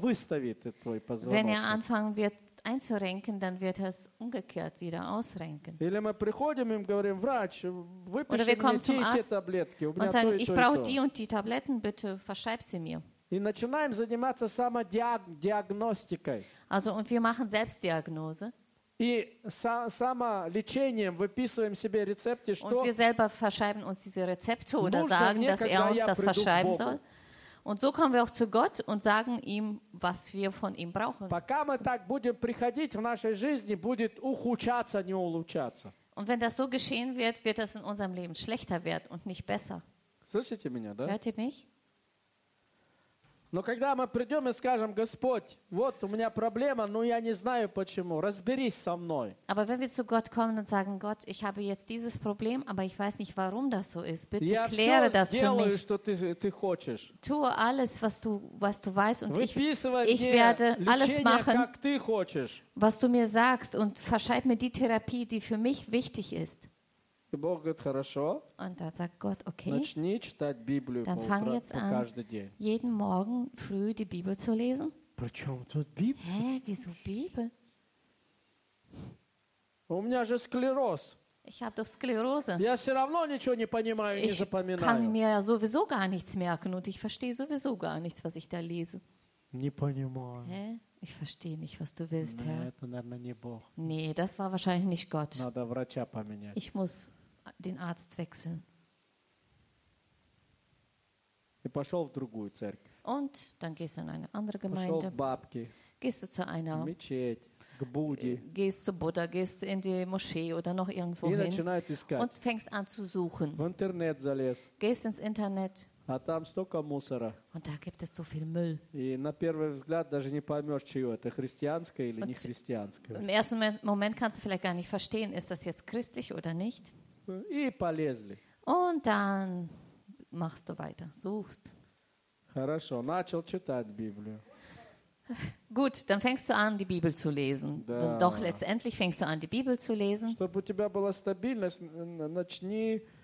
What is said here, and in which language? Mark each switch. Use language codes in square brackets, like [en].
[de] Wenn er anfangen wird, einzurenken, dann wird er es umgekehrt wieder ausrenken. Oder wir kommen zum Arzt und sagen, ich brauche die und die Tabletten, bitte verschreib sie mir. Also, und wir machen Selbstdiagnose. [ru] Самолечением выписываем себе рецепты, что [de] und wir selber verschreiben uns diese Rezepte oder sagen, dass er uns das verschreiben soll. Und so kommen wir auch zu Gott und sagen ihm, was wir von ihm brauchen. [ru] Пока мы так будем приходить, в нашей жизни будет ухудшаться, не улучшаться. [de] Und wenn das so geschehen wird, wird das in unserem Leben schlechter werden und nicht besser. [ru] Слышите меня, да? [de] Hört ihr mich? [ru] Но когда мы придем и скажем, Господь, вот у меня проблема, но я не знаю почему, разберись со мной. [de] Aber wenn wir zu Gott kommen und sagen, Gott, ich habe jetzt dieses Problem, aber ich weiß nicht, warum das so ist. Bitte kläre das für mich. [ru] Я все сделаю, что ты хочешь. [de] Tue alles, was du weißt und ich werde alles machen, [ru] как ты хочешь. [de] Was du mir sagst und verschreib mir die Therapie, die für mich wichtig ist. [ru] И Бог говорит, хорошо. [de] Und dann sagt Gott, okay. [ru] Начни читать Библию [de] dann [ru] по утра, каждый день. [de] Jeden Morgen früh die Bibel zu lesen. [ru] Причем тут Библия? [de] Hä, wieso Bibel? [ru] У меня же склероз. [de] Ich habe doch Sklerose. [ru] Я все равно ничего не понимаю и не запоминаю. [de] Ich kann mir ja sowieso gar nichts merken und ich verstehe sowieso gar nichts, was ich da lese. [ru] Не понимаю. Hä? [de] Ich verstehe nicht, was du willst, Herr. [ru] Nee, это, наверное, не Бог. [de] Nee, das war wahrscheinlich nicht Gott. [ru] Надо врача поменять. [de] Ich muss den Arzt wechseln. [ru] И пошел в другую церковь. [de] Und dann gehst du in eine andere Gemeinde. [ru] Пошел к бабке. [de] Gehst du zu einer [ru] Мечеть, к Будде. [de] Gehst du zu Buddha, gehst du in die Moschee oder noch irgendwo hin. [ru] И начинает искать. [de] Und fängst an zu suchen. [ru] В интернет залез. [de] Gehst ins Internet. [ru] А там столько мусора. [de] Und da gibt es so viel Müll. [ru] И на первый взгляд даже не поймешь, чье это, христианское или не христианское. [de] Im ersten Moment kannst du vielleicht gar nicht verstehen, ist das jetzt christlich oder nicht. [ru] И полезли. [de] Und dann machst du weiter, suchst. [ru] Хорошо, начал читать Библию. [de] Gut, dann fängst du an, die Bibel zu lesen. [ru] Да. [de] Doch letztendlich fängst du an, die Bibel zu lesen. [ru] Чтобы у тебя была стабильность, начни...